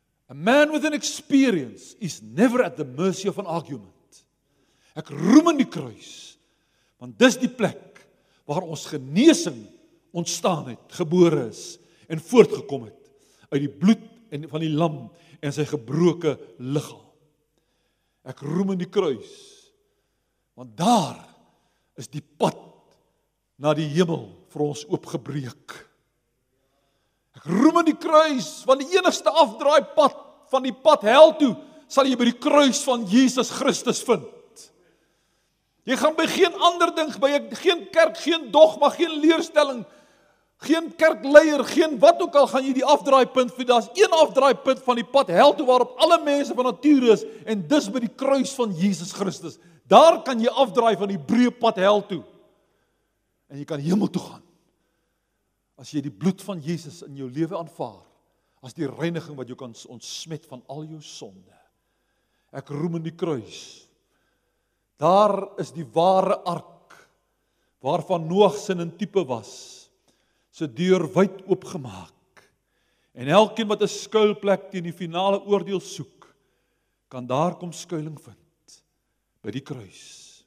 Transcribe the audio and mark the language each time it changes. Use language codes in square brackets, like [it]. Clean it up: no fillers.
[en] A man with an experience is never at the mercy of an argument. [af] Ek roem in die kruis, want dis die plek waar ons genesing ontstaan het, gebore is en voortgekom het uit die bloed en van die lam en sy gebroke liggaam. Ek roem in die kruis, want daar is die pad na die hemel vir ons oopgebreek. Ek roem in die kruis, want die enigste afdraai pad van die pad hel toe sal jy by die kruis van Jesus Christus vind. Jy gaan by geen ander ding, by geen kerk, geen dogma, geen leerstelling, geen kerkleier, geen wat ook al, gaan jy die afdraaipunt vind. Daar is een afdraaipunt van die pad hel toe waarop alle mense van nature is, en dis by die kruis van Jesus Christus. Daar kan jy afdraai van die breë pad hel toe, en jy kan hemel toe gaan, as jy die bloed van Jesus in jou leven aanvaar, as die reiniging wat jou kan ontsmet van al jou sonde. Ek roem in die kruis. Daar is die ware ark, waarvan Noag sin in type was, sy deur wyd oopgemaak, en elkeen wat 'n skuilplek teen die finale oordeel soek, kan daar kom skuiling vind, by die kruis.